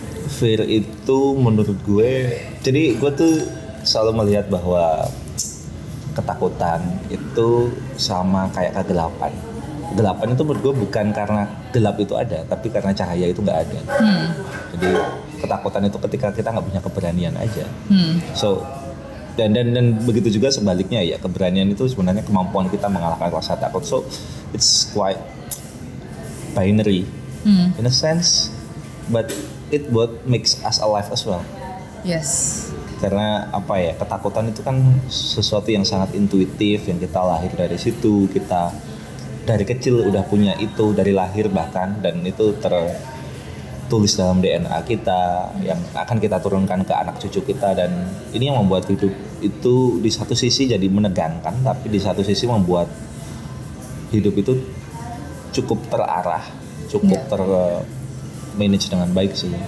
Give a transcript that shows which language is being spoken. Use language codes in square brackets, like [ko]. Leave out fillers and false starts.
[id] Fear itu menurut gue, jadi gue tuh selalu melihat bahwa ketakutan itu sama kayak kegelapan. Kegelapan itu menurut gue bukan karena gelap itu ada, tapi karena cahaya itu gak ada. Jadi ketakutan itu ketika kita gak punya keberanian aja. So, dan begitu juga sebaliknya ya, keberanian itu sebenarnya kemampuan kita mengalahkan rasa takut. [en] So, it's quite binary in a sense, but it both makes us alive as well. Yes. [id] Karena apa ya, ketakutan itu kan sesuatu yang sangat intuitif, yang kita lahir dari situ, kita dari kecil udah punya itu, dari lahir bahkan, dan itu tertulis dalam DNA kita, yang akan kita turunkan ke anak cucu kita, dan ini yang membuat hidup itu di satu sisi jadi menegangkan, tapi di satu sisi membuat hidup itu cukup terarah, cukup manage dengan baik sih.